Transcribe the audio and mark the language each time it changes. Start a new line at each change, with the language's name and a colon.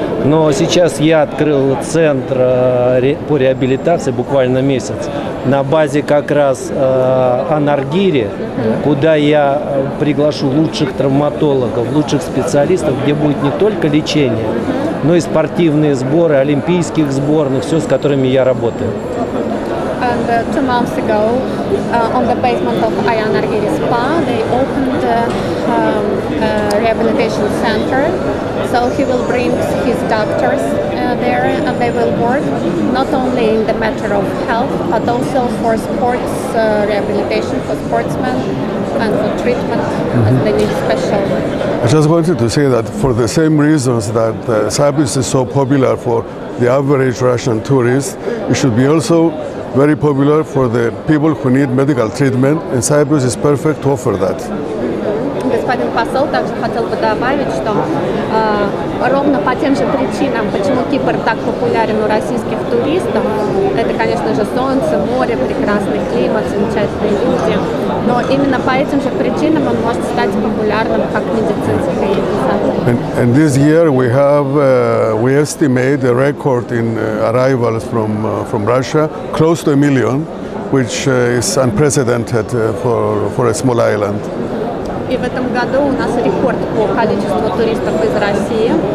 Russian: Но сейчас я открыл центр по реабилитации буквально месяц на базе как раз Анаргири, куда я приглашу лучших травматологов, лучших специалистов, где будет не только лечение, но и спортивные сборы, олимпийских сборных, все, с которыми я работаю.
English: And 2 months ago, on the basement of Anargiri Spa, they opened a rehabilitation center. So he will bring his doctors there, and they will work not only in the matter of health, but also for sports rehabilitation for sportsmen and for treatment, and they need special. I just wanted to say that for the same reasons that Cyprus is so popular for the average Russian tourist, it should be also very popular for the people who need medical treatment, and Cyprus is perfect to offer that.
Russian: Господин посол также хотел бы добавить, что ровно по тем же причинам, почему Кипр так популярен у российских туристов, это, конечно же, солнце, море, прекрасный климат, замечательные люди, но именно по этим же причинам он может стать популярным как медицинский туризм.
English: And this year we have we estimate a record in arrivals from Russia, close to 1 million, which is unprecedented for a small island.
Russian: И в этом году у нас рекорд по количеству туристов из России.